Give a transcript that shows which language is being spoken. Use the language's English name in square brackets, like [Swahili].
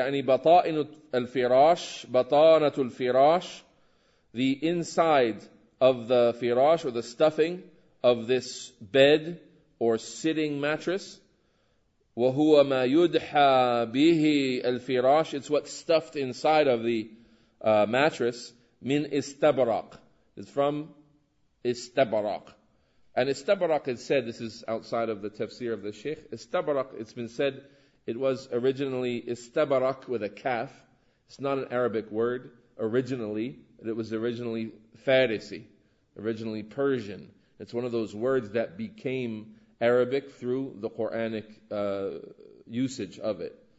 [Arabic] يعني بطائن الفراش, بطانة الفراش, [English] the inside of the firash or the stuffing of this bed or sitting mattress. [Arabic] وهو ما يدحى به الفراش, [English] it's what's stuffed inside of the mattress. [Arabic] من استبرق, [English] it's from [Arabic] استبرق. [English] And استبرق is said, this is outside of the tafsir of the sheikh, استبرق, it's been said it was originally استبرق with a calf. It's not an Arabic word originally, but it was originally Farsi, originally Persian. It's one of those words that became Arabic through the Quranic usage of it.